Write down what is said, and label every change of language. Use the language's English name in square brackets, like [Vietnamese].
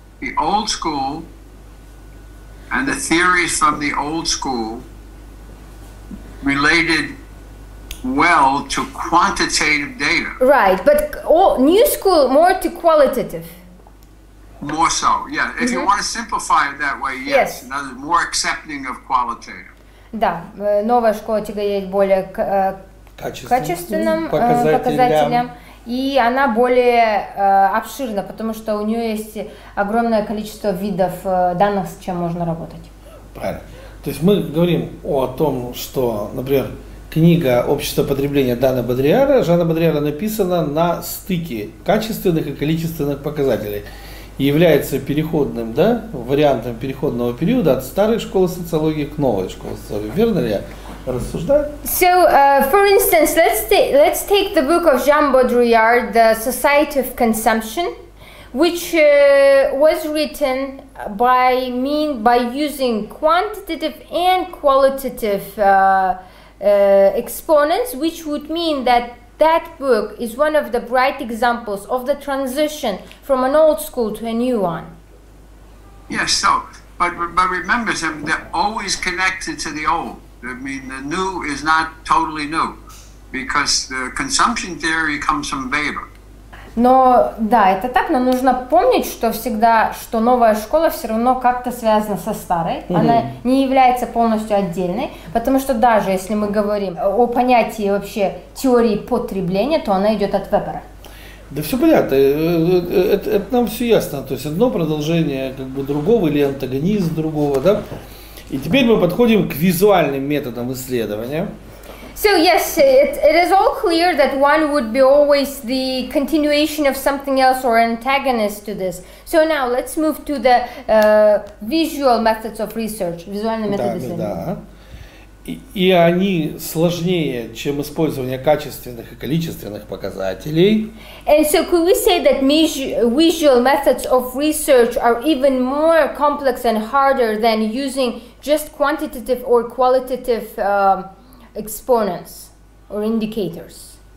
[English] The old school and the theories from the old school related well to quantitative data. Right, but new school more to qualitative. More so, yeah. If you want to simplify it that way, yes. In other words, more accepting of qualitative. [Russian] Да, новая школа тяготеет более к качественным показателям и она более обширна, потому что у нее есть огромное количество видов данных, с чем можно работать. Правильно. То есть мы говорим о том, что, например, книга «Общество потребления» Дана Бодриара, Жана Бодриара, написана на стыке качественных и количественных показателей. Является переходным, да, вариантом переходного периода от старой школы социологии к новой школе социологии. Верно ли я рассуждаю? [English] So, for instance, let's take the book of Jean Baudrillard, The Society of Consumption, which was written by using quantitative and qualitative exponents, which would mean that that book is one of the bright examples of the transition from an old school to a new one. Yes, so, but remember, Tim, they're always connected to the old. I mean, the new is not totally new, because the consumption theory comes from Weber. [Russian] Но да, это так, но нужно помнить, что всегда, что новая школа все равно как-то связана со старой, mm-hmm. она не является полностью отдельной, потому что даже если мы говорим о понятии вообще теории потребления, то она идет от Вебера. Да все понятно, это нам все ясно, то есть одно продолжение как бы другого или антагонизм другого, да? И теперь мы подходим к визуальным методам исследования. [English] So yes, it is all clear that one would be always the continuation of something else or antagonist to this. So now let's move to the visual methods of research, [Russian] визуальные методы исследования. Да, и они сложнее, чем использование качественных и количественных показателей. [English] And so could we say that visual methods of research are even more complex and harder than using just quantitative or qualitative exponents or indicators?